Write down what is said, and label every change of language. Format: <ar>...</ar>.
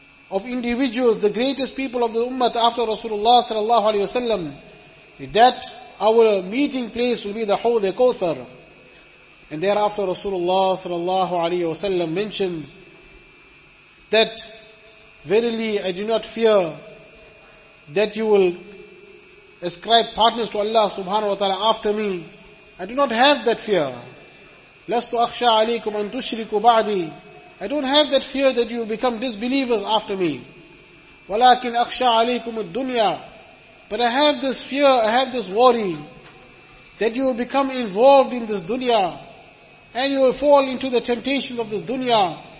<en>of individuals, the greatest people of the ummah after Rasulullah sallallahu alayhi wa sallam, that our meeting place will be the Hawd al-Kawthar. And thereafter Rasulullah sallallahu alayhi wa sallam mentions that verily I do not fear that you will ascribe partners to Allah subhanahu wa ta'ala after me. I do not have that fear.</en> <ar>لَسْتُ أَخْشَى عَلَيْكُمْ أَن تُشْرِكُوا بَعْدِي.</ar> <en>I don't have that fear that you become disbelievers after me.</en> <ar>وَلَكِنْ أَخْشَى عَلَيْكُمُ الدُّنْيَا.</ar> <en>But I have this fear, I have this worry that you will become involved in this dunya and you will fall into the temptations of this dunya.</en>